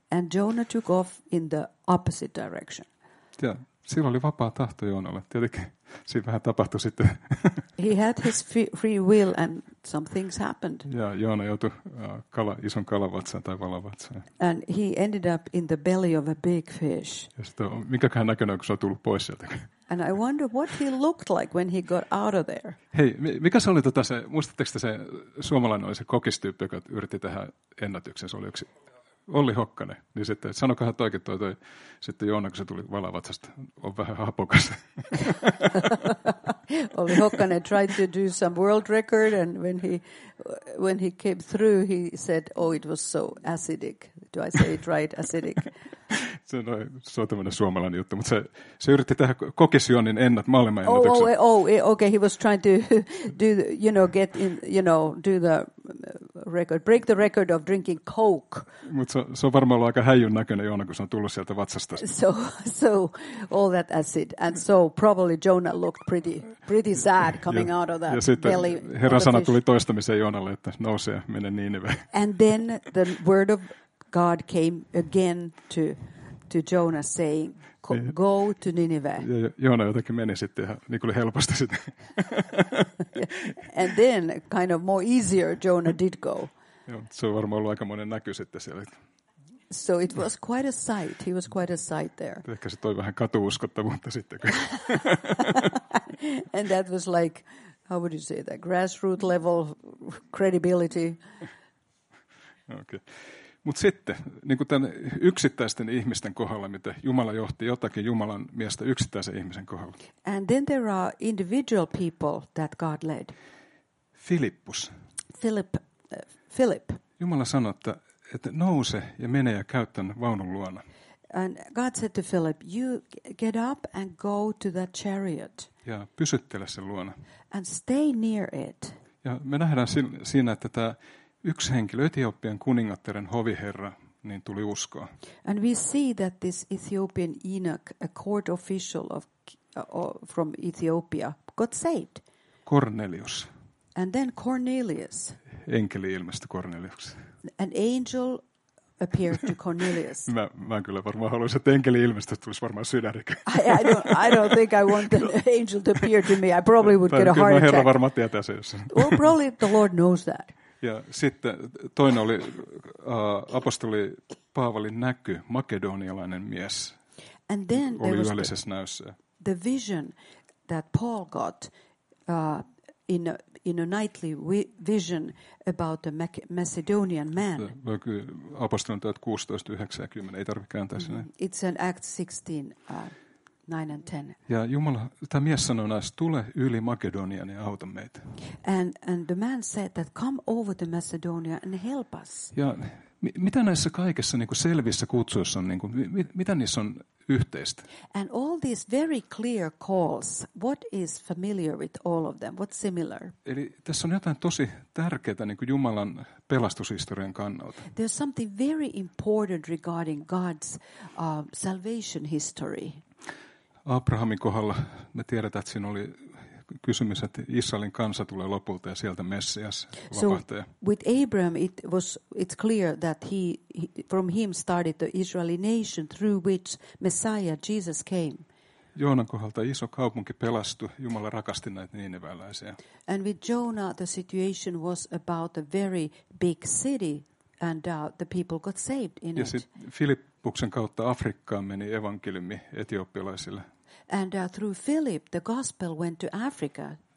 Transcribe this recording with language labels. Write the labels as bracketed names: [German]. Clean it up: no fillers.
[English] And Jonah took off in the opposite direction. [Finnish] Ja sillä oli vapaa tahto Joonalle. Tietenkin siinä vähän tapahtui sitten. [English] He had his free will and some things happened. [Finnish] Ja Joona joutui ison kalavatsaan tai valavatsaan. [English] And he ended up in the belly of a big fish. [Finnish] Ja sitten minkäköhän näköinen, kun se on tullut pois sieltä. [English] And I wonder what he looked like when he got out of there. [Finnish] Hei, mikä se oli se, muistatteko se suomalainen oli se kokistyyppi, joka yritti tehdä ennätyksen, se oli yksi Olli Hokkanen. Niin sitten, sanokohan toikin toi sitten Joona, kun se tuli valavatsasta, on vähän hapokas. [English] Olli Hokkanen tried to do some world record and when he came through, he said, oh, it was so acidic. Do I say it right, acidic? [Finnish] Se on tämmöinen suomalainen juttu, mutta se yritti tehdä kokisjuonin maailman ennätyksen. [English] Oh, okay, he was trying to do, get in, do the record, break the record of drinking Coke. [Finnish] Mutta se on varmaan ollut aika häijyn näköinen Joona, kun se on tullut sieltä vatsasta. [English] So all that acid. And so probably Jonah looked pretty sad coming out of that belly. [Finnish] Ja sitten Herran sana tuli toistamiseen Joonalle, että nouse ja mene Niineveen. [English] And then the word of God came again to Jonah saying, go to Nineveh. [Finnish] Joona jotenkin meni sitten ihan niin kuin helposti sitten. [English] And then kind of more easier Jonah did go. [Finnish] Se on varmaan ollut aikamoinen näky sitten siellä. [English] So it was quite a sight. He was quite a sight there. [Finnish] Ehkä se toi vähän katuuskottavuutta sitten. [English] And that was like, how would you say that? Grassroot level credibility. Okay. [Finnish] Mutta sitten, niin kuin tämän yksittäisten ihmisten kohdalla, mitä Jumala johti jotakin Jumalan miestä yksittäisen ihmisen kohdalla. [English] And then there are individual people that God led. [Finnish] Filippus. [English] Philip. [Finnish] Jumala sanoi, että nouse ja mene ja käy tämän vaunun luona. [English] And God said to Philip, you get up and go to that chariot. [Finnish] Ja pysyttele sen luona. [English] And stay near it. [Finnish] Ja me nähdään siinä, että tämä yksi henkilö, Etiopian kuningattaren hoviherra, niin tuli uskoa. [English] And we see that this Ethiopian eunuch, a court official from Ethiopia, got saved. Cornelius. And then Cornelius. [Finnish] Enkeli ilmestyi Corneliukseen. [English] An angel appeared to Cornelius. [Finnish] mä kyllä varmaan haluaisin, että enkeli ilmestyi, että tulisi varmaan sydänrikä. [English] I don't think I want an angel to appear to me. I probably would get a heart attack. [Finnish] Herra varmaan tietää se, jos. [English] Well, probably the Lord knows that. [Finnish] Ja sitten toinen oli apostoli Paavalin näky, makedonialainen mies. [English] And then [Finnish] oli yöllisessä näyssä. [English] The vision that Paul got in a nightly vision about a Macedonian man. [Finnish] Apostolien teot 16:9-10, ei tarvitse kääntää sinne. [English] It's an Acts 16:9-10. [Finnish] Ja Jumala, tämä mies sanoi näissä, tule yli Makedonian ja auta meitä. [English] And the man said that come over to Macedonia and help us. [Finnish] Ja mitä näissä kaikessa niin kuin selvissä kutsuissa on, niin kuin, mitä niissä on yhteistä? [English] And all these very clear calls, what is familiar with all of them, what's similar? [Finnish] Eli tässä on jotain tosi tärkeää niin kuin Jumalan pelastushistorian kannalta. [English] There's something very important regarding God's salvation history. [Finnish] Abrahamin kohdalla me tiedetään, että siinä oli kysymys, että Israelin kansa tulee lopulta ja sieltä Messias, vapahtaja. [English] So with Abraham it's clear that he from him started the Israeli nation through which Messiah Jesus came. [Finnish] Joonan kohdalta iso kaupunki pelastui, Jumala rakasti näitä niiniväläisiä. [English] And with Jonah the situation was about a very big city and the people got saved in [Finnish] ja [English] it. [Finnish] Filippuksen kautta Afrikkaan meni evankeliumi etiopialaisille. [English] And through Philip the gospel went to Africa.